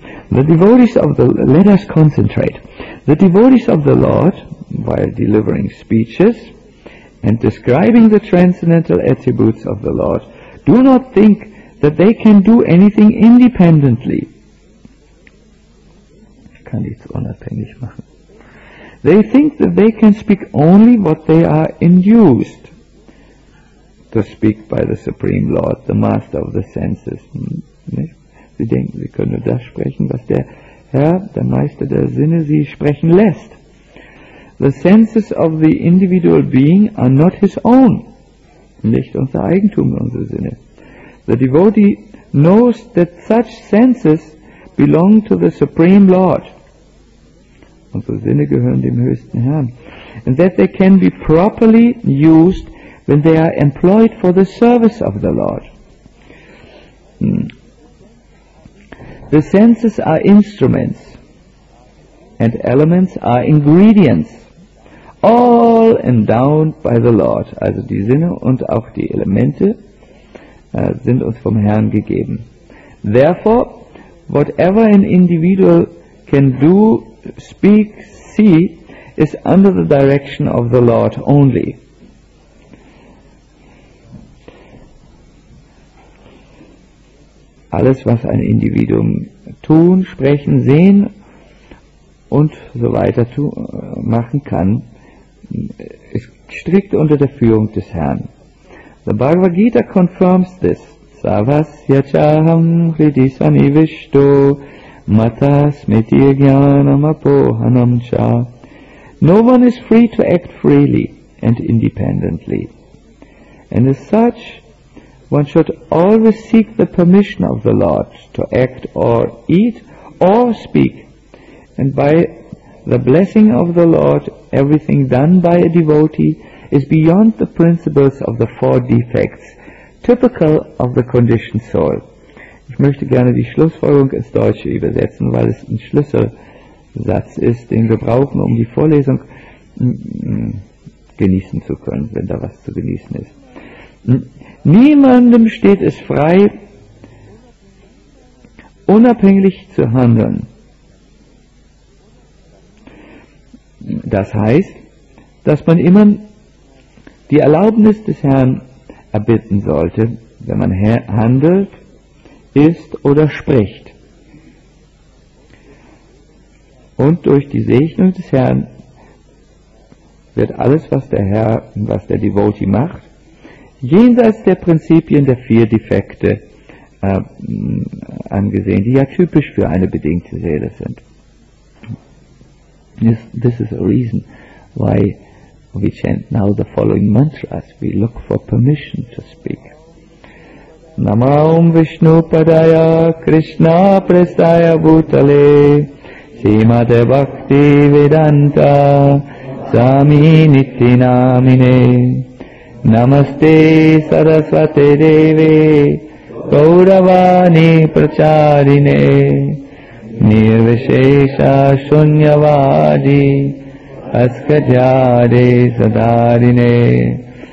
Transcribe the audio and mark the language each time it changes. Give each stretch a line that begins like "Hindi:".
English: The devotees of the, let us concentrate, the devotees of the Lord, while delivering speeches and describing the transcendental attributes of the Lord, do not think that they can do anything independently.
German: Kann nichts unabhängig machen.
English: They think that they can speak only what they are induced to speak by the Supreme Lord, the Master of the Senses.
German: Sie denken, sie können nur das sprechen, was der Herr, der Meister der Sinne, sie sprechen lässt.
English: The senses of the individual being are not his own.
German: Nicht unser Eigentum, unsere Sinne.
English: The devotee knows that such senses belong to the Supreme Lord.
German: Unsere Sinne gehören dem höchsten Herrn.
English: And that they can be properly used when they are employed for the service of the Lord. The senses are instruments, and elements are ingredients, all endowed by the Lord.
German: Also die Sinne und auch die Elemente sind uns vom Herrn gegeben.
English: Therefore, whatever an individual can do, speak, see, is under the direction of the Lord only.
German: Alles, was ein Individuum tun, sprechen, sehen und so weiter machen kann, ist strikt unter der Führung des Herrn.
English: The Bhagavad Gita confirms this.
Sanskrit: Savasya chaham hridi sannivishto mata smriti jnanam apohanam cha.
English: No one is free to act freely and independently. And as such, one should always seek the permission of the Lord to act or eat or speak. And by the blessing of the Lord, everything done by a devotee is beyond the principles of the four defects, typical of the conditioned soul.
German: Ich möchte gerne die Schlussfolgerung ins Deutsche übersetzen, weil es ein Schlüsselsatz ist, den wir brauchen, um die Vorlesung genießen zu können, wenn da was zu genießen ist. Niemandem steht es frei, unabhängig zu handeln. Das heißt, dass man immer die Erlaubnis des Herrn erbitten sollte, wenn man handelt, isst oder spricht. Und durch die Segnung des Herrn wird alles, was der Herr, was der Devotee macht, jenseits der Prinzipien der vier Defekte angesehen, die ja typisch für eine bedingte Seele sind.
English: This is a reason why we chant now the following mantras. We look for permission to speak.
Sanskrit: Nama Om Vishnu Padaya Krishna Prestaya Bhutale Simate Bhakti Vedanta Sami Nitti Namine Namaste Sarasvate Deve Gauravani Pracharine Nirvishesha Shunyavadi Askajade Sadarine